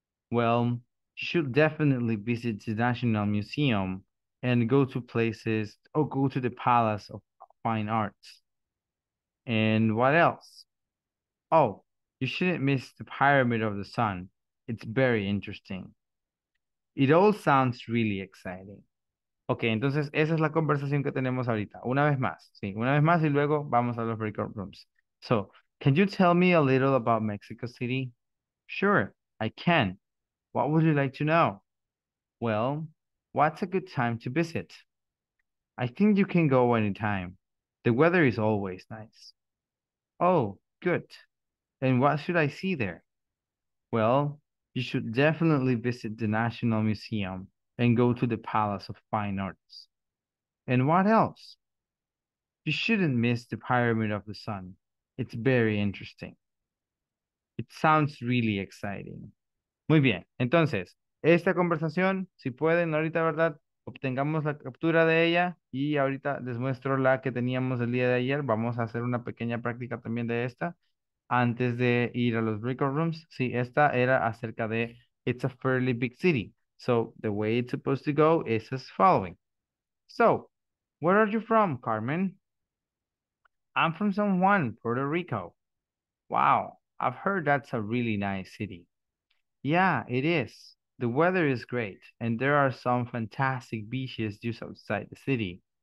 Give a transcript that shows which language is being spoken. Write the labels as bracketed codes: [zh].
[en] Well, you should definitely visit the National Museum and go to places, or go to the Palace of Fine Arts. And what else? Oh, you shouldn't miss the Pyramid of the Sun. It's very interesting. It all sounds really exciting. [es] Okay, entonces esa es la conversación que tenemos ahorita. Una vez más, sí, una vez más y luego vamos a los breakout rooms. [en] So, can you tell me a little about Mexico City? Sure, I can. What would you like to know? Well, what's a good time to visit? I think you can go anytime. The weather is always nice. Oh, good. And what should I see there? Well, you should definitely visit the National Museum and go to the Palace of Fine Arts. And what else? You shouldn't miss the Pyramid of the Sun. It's very interesting. It sounds really exciting. [es] Muy bien. Entonces, esta conversación, si pueden, ahorita, ¿verdad? Obtengamos la captura de ella y ahorita les muestro la que teníamos el día de ayer. Vamos a hacer una pequeña práctica también de esta antes de ir a los breakout rooms. Sí, esta era acerca de [en] it's a fairly big city. So, the way it's supposed to go is as following. So, where are you from, Carmen? I'm from San Juan, Puerto Rico. Wow, I've heard that's a really nice city. Yeah, it is. The weather is great, and there are some fantastic beaches just outside the city.